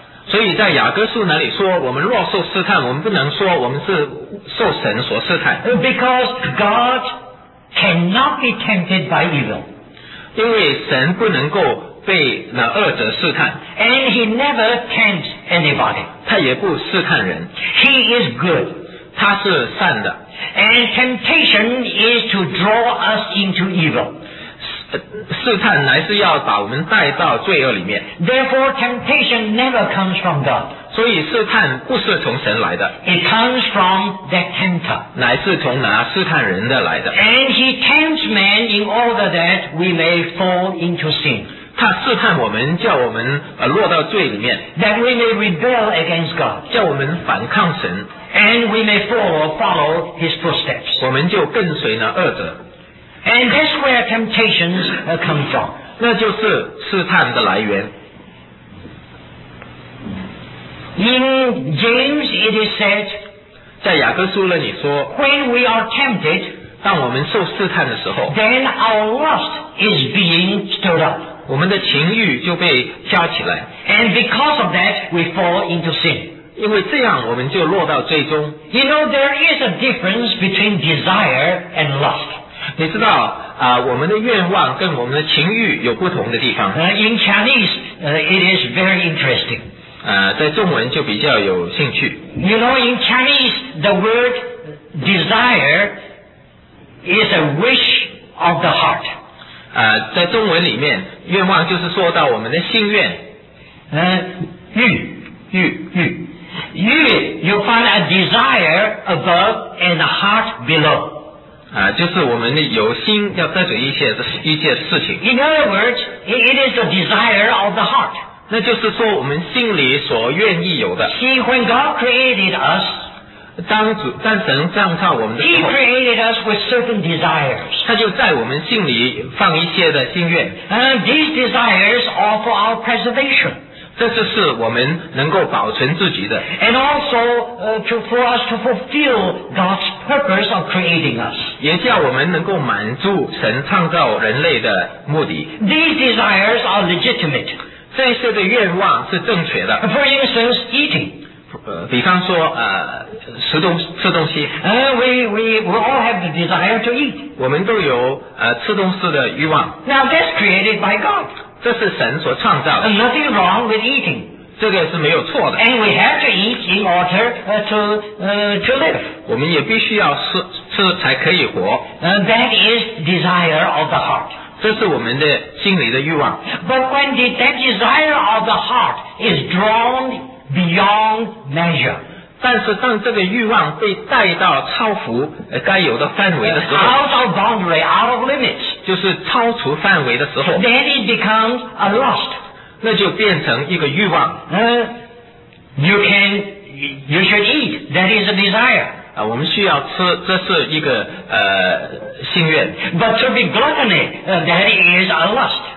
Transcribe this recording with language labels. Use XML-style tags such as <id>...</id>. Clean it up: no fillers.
<zh>所以在雅各书那里说我们若受试探我们不能说我们是受神所试探。</zh> <en>Because God cannot be tempted by evil.</en> <zh>因为神不能够被那恶者试探。</zh> <en>And he never tempts anybody.</en> <zh>他也不试探人。</zh> <en>He is good.</en> <zh>他是善的。</zh> <en>And temptation is to draw us into evil.</en> <zh>试探乃是要把我们带到罪恶里面。</zh> <en>Therefore, temptation never comes from God.</en> <zh>所以试探不是从神来的。</zh> <en>It comes from that tempter.</en> <zh>乃是从那试探人的来的。</zh> <en>And he tempts man in order that we may fall into sin.</en> <zh>他试探我们叫我们落到罪里面</zh> <en>that we may rebel against God</en> <zh>叫我们反抗神</zh> <en>and we may follow his footsteps</en> <zh>我们就跟随那恶者</zh> <en>and that's where temptations come from</en> <zh>那就是试探的来源</zh> <en>in James it is said</en> <zh>在雅各书了你说</zh> <en>when we are tempted</en> <zh>当我们受试探的时候</zh> <en>then our lust is being stirred up</en> <zh>我们的情欲就被加起来</zh> <en>and because of that we fall into sin</en> <zh>因为这样我们就落到最终</zh> <en>you know there is a difference between desire and lust</en> <zh>你知道我们的愿望跟我们的情欲有不同的地方</zh> <en>in Chinese it is very interesting</en> <zh>在中文就比较有兴趣</zh> <en>you know in Chinese the word desire is a wish of the heart</en> <zh>在中文里面愿望就是说到我们的心愿</zh> <en>欲 you find a desire above and a heart below</en> <zh>就是我们有心要带着一些事情</zh> <en>in other words it is the desire of the heart</en> <zh>那就是说我们心里所愿意有的</zh> <en>see when God created us</en> <zh>当神创造我们的时候</zh> <en>He created us with certain desires.</en> <zh>他就在我们心里放一些的心愿。</zh> <en>These desires are for our preservation.</en> <zh>这就是我们能够保存自己的。</zh> <en>And also, for us to fulfill God's purpose of creating us.</en> <zh>也叫我们能够满足神创造人类的目的。</zh> <en>These desires are legitimate.</en> <zh>这些的愿望是正确的。</zh> <en>For instance, eating.</en> <zh>比方说吃东西</zh> <en>we all have the desire to eat</en> <zh>我们都有吃东西的欲望</zh> <en>Now that's created by God</en> <zh>这是神所创造的</zh> <en>Nothing wrong with eating</en> <zh>这个是没有错的</zh> <en>And we have to eat in order to live</en> <zh>我们也必须要 吃才可以活</zh> <en>That is desire of the heart</en> <zh>这是我们的心里的欲望</zh> <en>But when that desire of the heart is drawn inBeyond measure.</en> <zh>但是当这个欲望被带到超乎该有的范围的时候</zh> <en>out of boundary, out of limits,</en> <zh>就是超出范围的时候</zh> <en>then it becomes a lust.</en> <zh>那就变成一个欲望</zh> <en>You should eat, that is a desire.</en> <zh>我们需要吃这是一个心愿</zh> <en>But to be gluttony, that is a lust.</en>